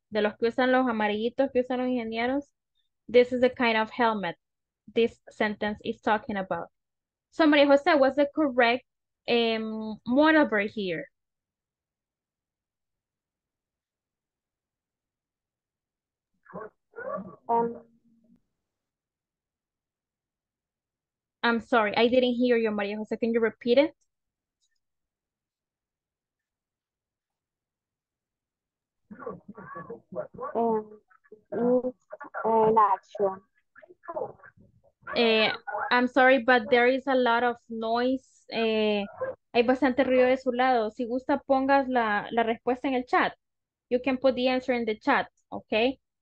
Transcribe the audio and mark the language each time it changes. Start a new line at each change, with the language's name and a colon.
Spanish: De los que usan los amarillitos, que usan los ingenieros.
English: This is the kind of helmet this sentence is talking about. So, María José, what's the correct modal verb here? Um, I'm sorry, I didn't hear you, Maria Jose. Can you repeat it? An action. I'm sorry, but there is a lot of noise.
Spanish: Hay bastante ruido de su lado. Si gusta, pongas la respuesta en el chat.
English: You can put the answer in the chat, okay?